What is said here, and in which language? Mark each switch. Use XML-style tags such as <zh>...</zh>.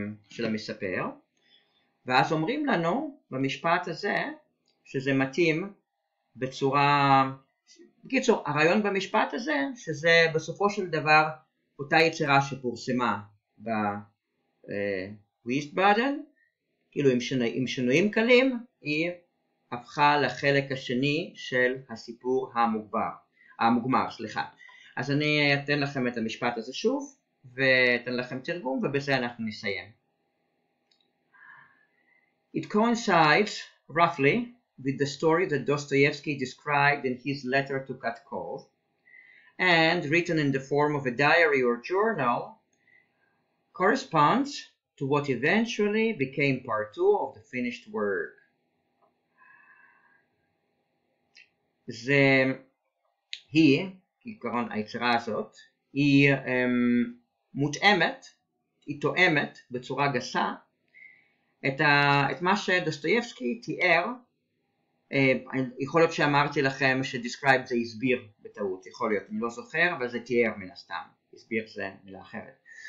<he>של המספר, ואז אומרים לנו במשפט הזה שזה מתאים בצורה, בקיצור, הרעיון במשפט הזה שזה בסופו של דבר אותה יצירה שפורסמה בוויסטבאדן, כאילו עם שינויים קלים, היא הפכה לחלק השני של הסיפור המוגמר, סליחה. אז אני אתן לכם את המשפט הזה שוב, ואתן לכם תרגום, ובזה אנחנו נסיים.</he> <en>It coincides roughly with the story that Dostoevsky described in his letter to Katkov, and written in the form of a diary or journal, corresponds to what eventually became part two of the finished work.</en> <he>זה, היא, כעיקרון היצירה הזאת, היא מותאמת, היא תואמת בצורה גסה את, את מה שדוסטויבסקי תיאר, יכול להיות שאמרתי לכם שדיסקרייב זה הסביר בטעות, יכול להיות, אני לא זוכר, אבל זה תיאר מן הסתם, הסביר זה מילה אחרת.</he>